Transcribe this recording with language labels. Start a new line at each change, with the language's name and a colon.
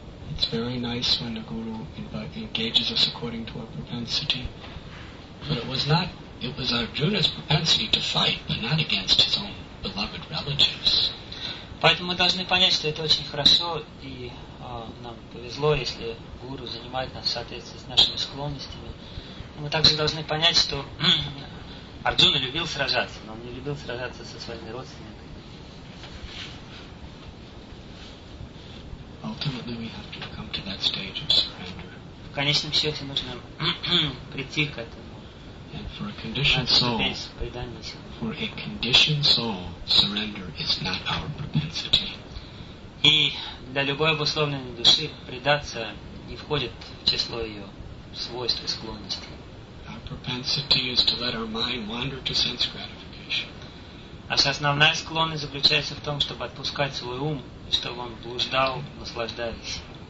English: It's very nice when a guru engages us according to our propensity. But it was Arjuna's propensity to fight, but not against his own beloved relatives.
Russian: Поэтому мы должны понять, что это очень хорошо, и нам повезло, если гуру занимает нас в соответствии с нашими склонностями. Мы также должны понять, что Арджуна любил сражаться, но он не любил сражаться со своими родственниками.
English: Ultimately, we have to come to that stage of surrender.
Russian: В конечном счете нужно прийти к этому.
English: And for a conditioned soul, surrender is not our propensity.
Russian: И для любой обусловленной души предаться не входит в число ее свойств и склонностей.
English: Our propensity is to let our mind wander to sense gratification.
Russian: Наша основная склонность заключается в том, чтобы отпускать свой ум, чтобы он блуждал, наслаждаясь.